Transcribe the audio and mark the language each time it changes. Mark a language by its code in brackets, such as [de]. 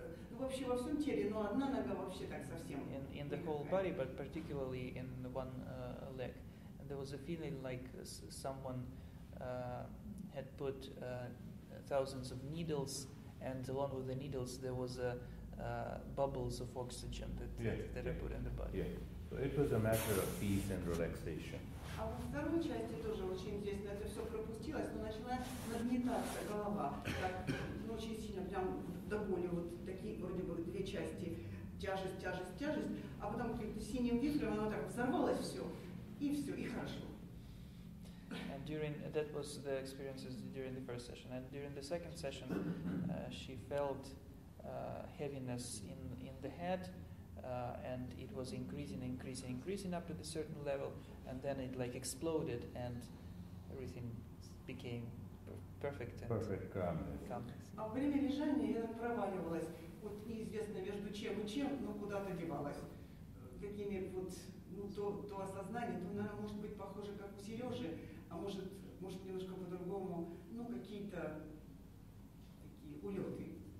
[ru] Ну, вообще во всем теле, но одна нога вообще так совсем. [en] In the whole body, but particularly in one leg. And there was a feeling like someone had put thousands of needles, and along with the needles there was a bubbles of oxygen that I put in the body. Yeah. So it was a matter of peace and relaxation. [ru] А во второй части тоже очень интересно, это все пропустилось, но начала нагнетаться голова, так, ну, очень сильно, прям до боли, вот такие вроде бы две части, тяжесть, а потом каким-то синим вихрем оно так взорвалось все, и хорошо. [en] And during that was the experiences during the first session. And during the second session, she felt heaviness in the head, and it was increasing up to a certain level, and then it like exploded, and everything became perfect. And perfect calmness. [ru] А во время лежания я проваливалась, вот неизвестно между чем и чем, но куда-то девалась. Какими вот ну то осознание, то наверное может быть похоже как у Сережи. А может немножко по-другому, ну какие-то такие улеты.